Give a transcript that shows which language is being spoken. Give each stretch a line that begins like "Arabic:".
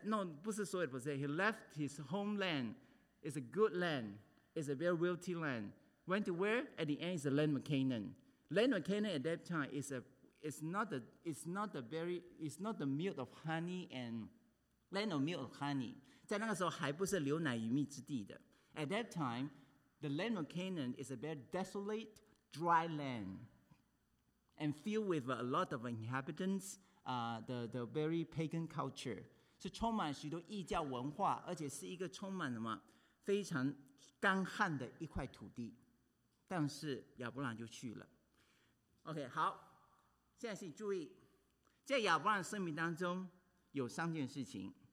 English: No,
Chinese: 不是所有的
English: possess. He left his homeland. It's a good land. It's a very wealthy land. Went to where? At the end, is the land of Canaan. Land of Canaan at that time is not the land of milk of honey.
Chinese: 在那个时候还不是流奶与蜜之地的。
English: At that time, the land of Canaan is a very desolate, dry land, and filled with a lot of inhabitants, the very pagan culture.
Chinese: 是充满许多异教文化，而且是一个充满什么非常干旱的一块土地。但是亚伯兰就去了。OK, 好。现在请注意，在亚伯兰生命当中有三件事情。